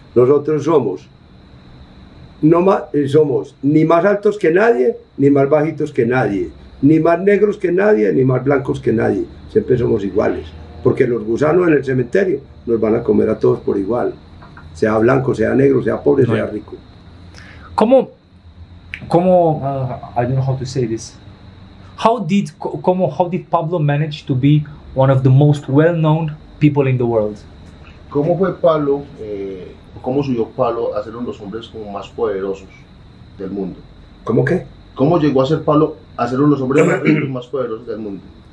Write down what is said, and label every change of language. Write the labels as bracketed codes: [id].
[es] Nosotros somos, no más, somos ni más altos que nadie, ni más bajitos que nadie, ni más negros que nadie, ni más blancos que nadie. Siempre somos iguales, porque los gusanos en el cementerio nos van a comer a todos por igual, sea blanco, sea negro, sea pobre, sea rico. ¿Cómo? [en] I don't know how to say this. How did Pablo manage to be one of the most well-known people in the world? [es] ¿Cómo fue Pablo, cómo subió Pablo a ser uno de los hombres como más poderosos del mundo? ¿Cómo qué? ¿Cómo llegó a ser Pablo a ser uno de los hombres más poderosos del mundo?